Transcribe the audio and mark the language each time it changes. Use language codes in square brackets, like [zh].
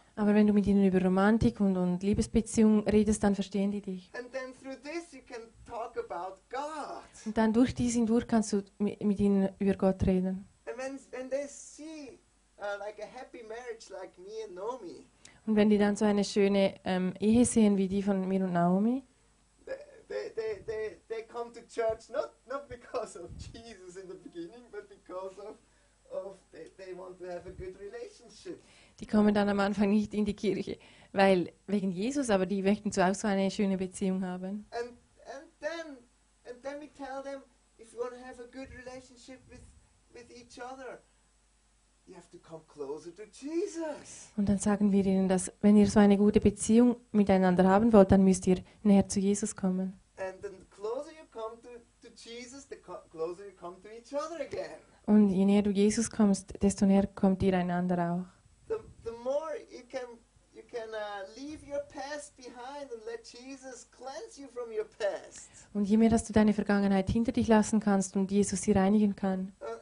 [de] Aber wenn du mit ihnen über Romantik und Liebesbeziehung redest, dann verstehen die dich. [en] And then through this you can talk about God. [de] Und dann durch dies hindurch kannst du mit ihnen über Gott reden. [en] And when they see like a happy marriage like me and Naomi. [de] Und wenn die dann so eine schöne Ehe sehen wie die von mir und Naomi, [en] they come to church not because of Jesus in the beginning, but because of they want to have a good relationship. [de] Die kommen dann am Anfang nicht in die Kirche, weil wegen Jesus, aber die möchten zuerst so eine schöne Beziehung haben. [en] And then we tell them, if you want to have a good relationship with each other, you have to come closer to Jesus. [de] Und dann sagen wir ihnen, dass wenn ihr so eine gute Beziehung miteinander haben wollt, dann müsst ihr näher zu Jesus kommen. [en] And the closer you come to Jesus, the closer you come to each other again. [de] Und je näher du Jesus kommst, desto näher kommt ihr einander auch. [en] The more you can leave your past behind and let Jesus cleanse you from your past. [de] Und je mehr, dass du deine Vergangenheit hinter dich lassen kannst und Jesus sie reinigen kann.